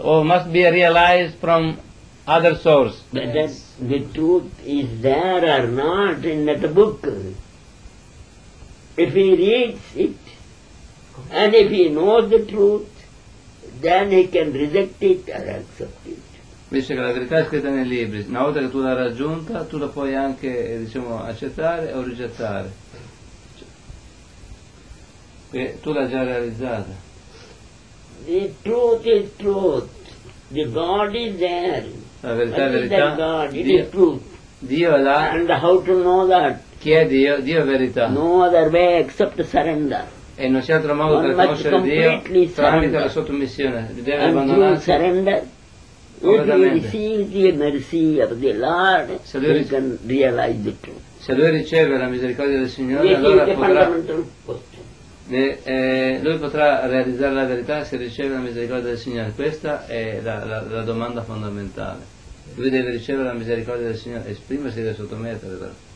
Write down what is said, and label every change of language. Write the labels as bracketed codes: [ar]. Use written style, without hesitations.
[en] Or must be realized from other source. But yes. The truth is there or not in that book. If he reads it, and if he knows the truth, then he can reject it or accept it. [it] Dice che la verità è scritta nei libri. Una volta che tu l'hai raggiunta, tu la puoi anche, diciamo, accettare o rigettare. Cioè, tu l'hai già realizzata. [en] The truth is truth. The God is there. [it] La verità è verità. Dio è là. [en] And how to know that? [it] Chi è Dio? Dio è verità. [en] No other way except surrender. [it] E non c'è altro modo [en] one [it] per conoscere Dio tramite la sottomissione. Deve abbandonare. [en] Surrender. If he receives the mercy of the Lord, he can realize the truth. [it] Se lui riceve la misericordia del Signore, allora potrà. lui potrà realizzare la verità se riceve la misericordia del Signore. Questa è la domanda fondamentale. Lui deve ricevere la misericordia del Signore, esprimersi e sottomettere.